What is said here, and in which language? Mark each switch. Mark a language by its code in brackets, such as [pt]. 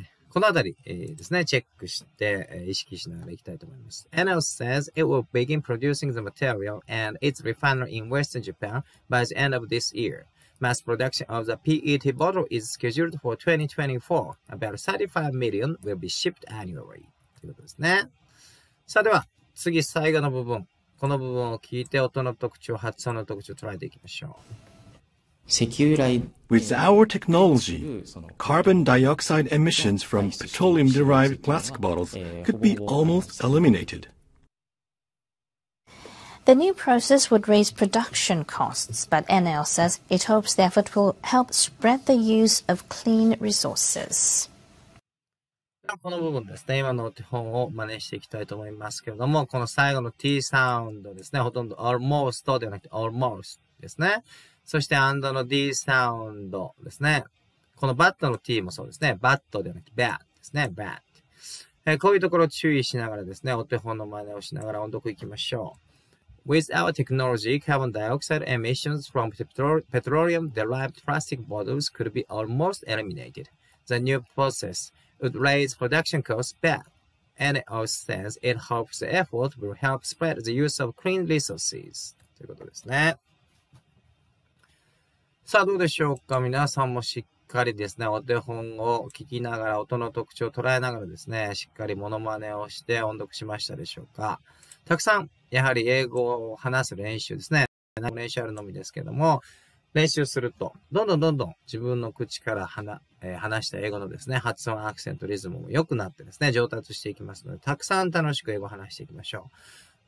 [ja] このあたり、ですね、チェックして、意識しながらいきたいと思います。 [en] Enel says it will begin producing the material and its refinery in Western Japan by the end of this year. Mass production of the PET bottle is scheduled for 2024. About 35 million will be shipped annually. [ja] ということですね。さあでは、次最後の部分。この部分を聞いて音の特徴、発音の特徴を捉えていきましょう。 [en] With our technology, carbon dioxide emissions from petroleum-derived plastic bottles could be almost eliminated. The new process would raise production costs, but NL says it hopes the effort will help spread the use of clean resources. [ja] この部分ですね、今の手本を真似していきたいと思いますけれども、この最後の T サウンドですね、ほとんど almost ではなくて almost ですね。そして、and の d サウンドですね。この bat の t もそうですね。 bat ではなくて bat ですね。bat。こういうところを注意しながらですね、お手本の真似をしながら音読いきましょう。 [en] With our technology, carbon dioxide emissions from petroleum-derived plastic bottles could be almost eliminated. The new process would raise production costs bat. And it also says it hopes the effort will help spread the use of clean resources. [ja] ということですね。さあどうでしょうか、皆さんもしっかりですね、お手本を聞きながら音の特徴を捉えながらですね、しっかりモノマネをして音読しましたでしょうか。たくさんやはり英語を話す練習ですね、練習あるのみですけども、練習するとどんどん自分の口から話した英語のですね、発音、アクセント、リズムも良くなってですね、上達していきますので、たくさん楽しく英語を話していきましょう。